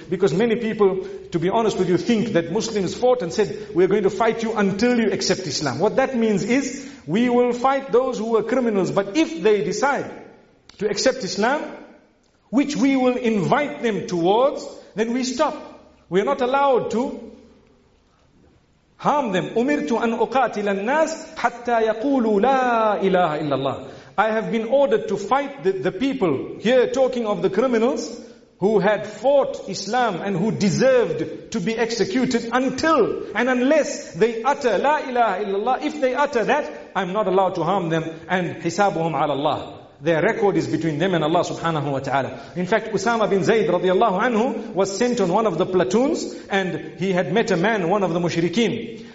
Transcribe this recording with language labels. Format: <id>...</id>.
<en>Because many people, to be honest with you, think that Muslims fought and said, we are going to fight you until you accept Islam. What that means is, we will fight those who are criminals. But if they decide to accept Islam, which we will invite them towards, then we stop. We are not allowed to harm them.</en> <ar>أُمِرْتُ أَنْ أُقَاتِلَ النَّاسِ حَتَّى يَقُولُوا لَا إِلَهَ إِلَّا اللَّهِ.</ar> <en>I have been ordered to fight the people. Here talking of the criminals who had fought Islam and who deserved to be executed until and unless they utter</en> <ar>لا إله إلا الله.</ar> <en>If they utter that, I'm not allowed to harm them. And</en> <ar>حِسَابُهُمْ عَلَى اللَّهِ.</ar> <en>Their record is between them and Allah subhanahu wa ta'ala. In fact, Usama bin Zayd radiallahu anhu was sent on one of the platoons, and he had met a man, one of the mushrikeen.</en>